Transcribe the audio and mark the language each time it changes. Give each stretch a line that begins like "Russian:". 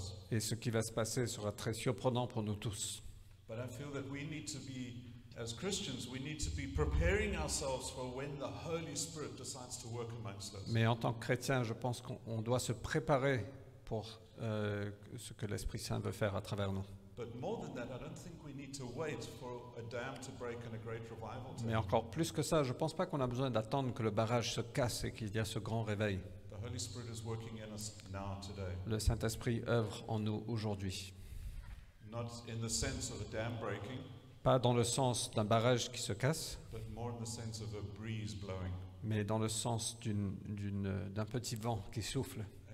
French: Et ce qui va se passer sera très surprenant pour nous tous. Mais je sens que nous devons être...
English: As Christians, we need to be preparing ourselves for when the Holy Spirit decides to work amongst us.
French: Mais en tant que chrétien, je pense qu'on doit se préparer pour ce que l'Esprit Saint veut faire à travers nous.
English: But more than that, I don't think we need to wait for a dam to break and a great revival to.
French: Mais encore plus que ça, je pense pas qu'on a besoin d'attendre que le barrage se casse et qu'il y ait ce grand réveil.
English: The Holy Spirit is working in us now today.
French: Le Saint-Esprit œuvre en nous aujourd'hui.
English: Not in the sense of a dam breaking.
French: Pas dans le sens d'un barrage qui se casse,
English: but more in the sense of a breeze blowing.
French: Mais dans le sens d'un petit vent qui souffle.